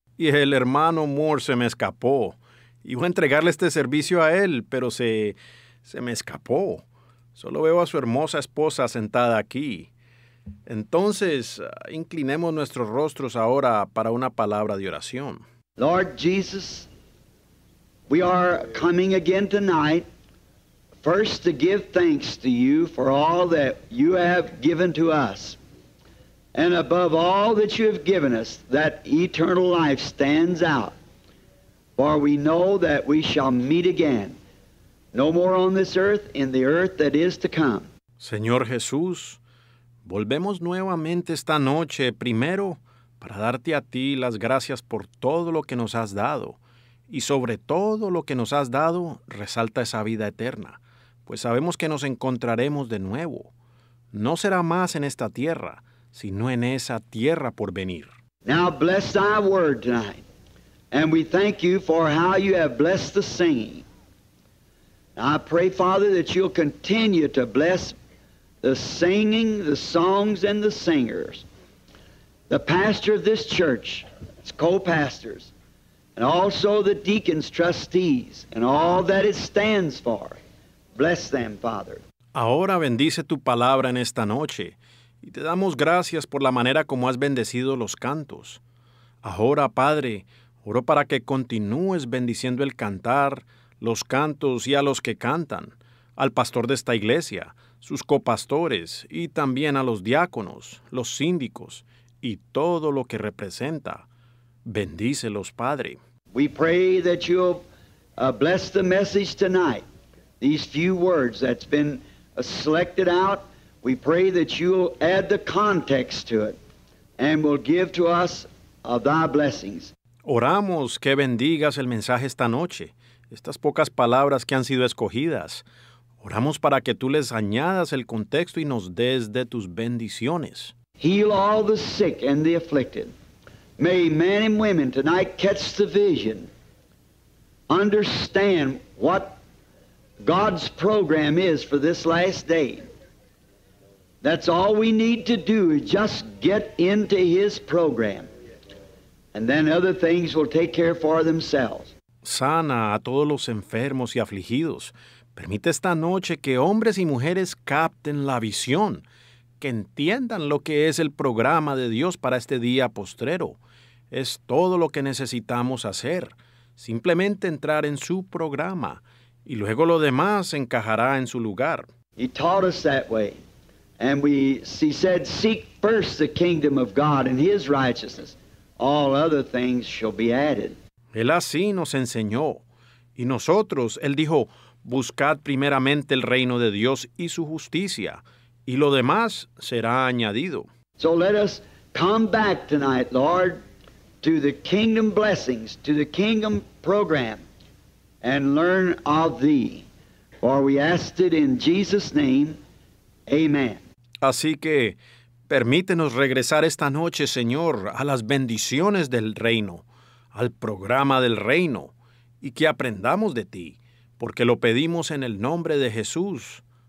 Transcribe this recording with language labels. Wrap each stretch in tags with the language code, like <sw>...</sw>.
<es>Y el hermano Moore se me escapó. Iba a entregarle este servicio a él, pero se me escapó. Solo veo a su hermosa esposa sentada aquí. Entonces, inclinemos nuestros rostros ahora para una palabra de oración.</es> <en>Lord Jesus, we are coming again tonight, first to give thanks to you for all that you have given to us. And above all that you have given us, that eternal life stands out. For we know that we shall meet again, no more on this earth, in the earth that is to come.</en> <es>Señor Jesús, volvemos nuevamente esta noche, primero, para darte a ti las gracias por todo lo que nos has dado. Y sobre todo lo que nos has dado, resalta esa vida eterna. Pues sabemos que nos encontraremos de nuevo. No será más en esta tierra, sino en esa tierra por venir.</es> <en>Now bless thy word tonight. And we thank you for how you have blessed the singing. I pray, Father, that you'll continue to bless the singing, the songs, and the singers, the pastor of this church, its co-pastors, and also the deacons, trustees, and all that it stands for. Bless them, Father.</en> <es>Ahora bendice tu palabra en esta noche, y te damos gracias por la manera como has bendecido los cantos. Ahora, Padre, oro para que continúes bendiciendo el cantar, los cantos y a los que cantan, al pastor de esta iglesia, sus copastores, y también a los diáconos, los síndicos, y todo lo que representa. Bendícelos, Padre.</es> <en>We pray that you'll bless the message tonight. These few words that's been selected out, we pray that you'll add the context to it and will give to us of thy blessings.</en> <es>Oramos que bendigas el mensaje esta noche, estas pocas palabras que han sido escogidas. Oramos para que tú les añadas el contexto y nos des de tus bendiciones.</es> <en>Heal all the sick and the afflicted. May men and women tonight catch the vision. Understand what God's program is for this last day. That's all we need to do is just get into His program. And then other things will take care for themselves.</en> <es>Sana a todos los enfermos y afligidos. Permite esta noche que hombres y mujeres capten la visión, que entiendan lo que es el programa de Dios para este día postrero. Es todo lo que necesitamos hacer. Simplemente entrar en su programa, y luego lo demás encajará en su lugar.</es> <en>He taught us that way. And he said, seek first the kingdom of God and His righteousness. All other things shall be added.</en> <es>Él así nos enseñó. Y nosotros, Él dijo, buscad primeramente el reino de Dios y su justicia, y lo demás será añadido.</es> <en>So let us come back tonight, Lord, to the kingdom blessings, to the kingdom program, and learn of thee. For we ask it in Jesus' name. Amen.</en> <es>Así que, permítenos regresar esta noche, Señor, a las bendiciones del reino, al programa del reino, y que aprendamos de ti, porque lo pedimos en el nombre de Jesús.</es>